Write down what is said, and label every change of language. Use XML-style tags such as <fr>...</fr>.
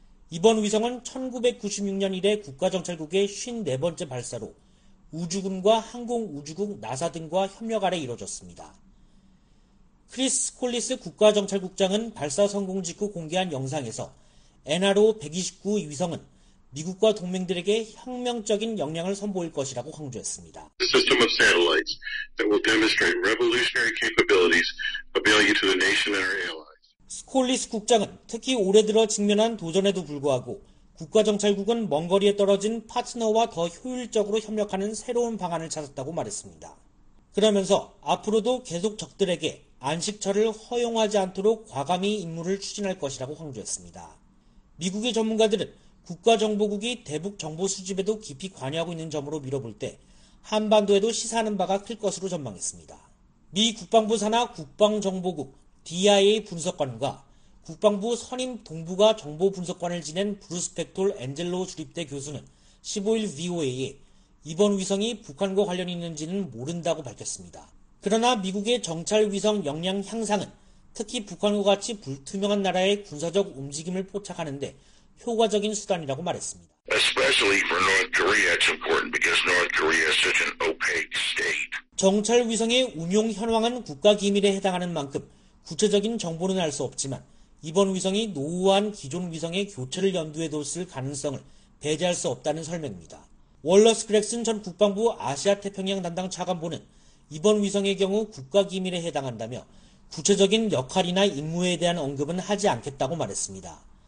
<ko>이번 위성은 1996년 이래 국가정찰국의 54번째 발사로 우주군과 항공우주국 나사 등과 협력 아래 이뤄졌습니다. 크리스 콜리스 국가정찰국장은 발사 성공 직후 공개한 영상에서 NRO 129 위성은 미국과 동맹들에게 혁명적인 역량을 선보일 것이라고 강조했습니다.</ko> <en>The system of satellites that will demonstrate revolutionary capabilities available to the nation and our allies.</en> <ko>스콜리스 국장은 특히 올해 들어 직면한 도전에도 불구하고 국가정찰국은 먼 거리에 떨어진 파트너와 더 효율적으로 협력하는 새로운 방안을 찾았다고 말했습니다. 그러면서 앞으로도 계속 적들에게 안식처를 허용하지 않도록 과감히 임무를 추진할 것이라고 강조했습니다. 미국의 전문가들은 국가정보국이 대북 정보 수집에도 깊이 관여하고 있는 점으로 미뤄볼 때 한반도에도 시사하는 바가 클 것으로 전망했습니다. 미 국방부 산하 국방정보국 DIA 분석관과 국방부 선임 동부가 정보 분석관을 지낸 브루스 팩톨 엔젤로 주립대 교수는 15일 VOA에 이번 위성이 북한과 관련이 있는지는 모른다고 밝혔습니다. 그러나 미국의 정찰 위성 역량 향상은 특히 북한과 같이 불투명한 나라의 군사적 움직임을 포착하는 데 효과적인 수단이라고 말했습니다.</ko> <en>Especially for North Korea, it's important because North Korea is such an opaque state.</en> <ko>정찰 위성의 운용 현황은 국가 기밀에 해당하는 만큼 구체적인 정보는 알 수 없지만 이번 위성이 노후한 기존 위성의 교체를 염두에 뒀을 가능성을 배제할 수 없다는 설명입니다. 월러스 그렉슨 전 국방부 아시아태평양 담당 차관보는 이번 위성의 경우 국가기밀에 해당한다며 구체적인 역할이나 임무에 대한 언급은 하지 않겠다고 말했습니다.</ko>